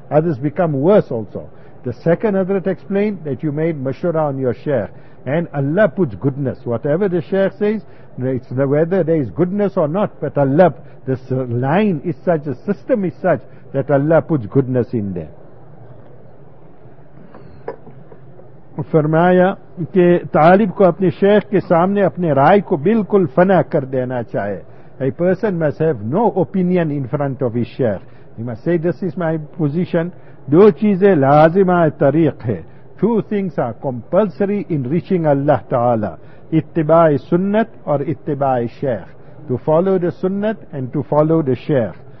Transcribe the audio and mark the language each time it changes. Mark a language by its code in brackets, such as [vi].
[en] Others become worse also. The second Hadrat explained that you made mashura on your Sheikh. And Allah puts goodness. Whatever the Sheikh says, it's whether there is goodness or not, but Allah, this line is such, the system is such, that Allah puts goodness in there. [ur] فرمایا کہ طالب کو اپنے شیخ کے سامنے اپنے رائے کو بالکل فنا کر دینا چاہے. [en] A person must have no opinion in front of his Sheikh. He must say, this is my position. [ur] دو چیزیں لازم طریق ہے. [en] Two things are compulsory in reaching Allah Ta'ala. [ur] اتباع سنت اور اتباع شیخ. [en] To follow the sunnat and to follow the Sheikh.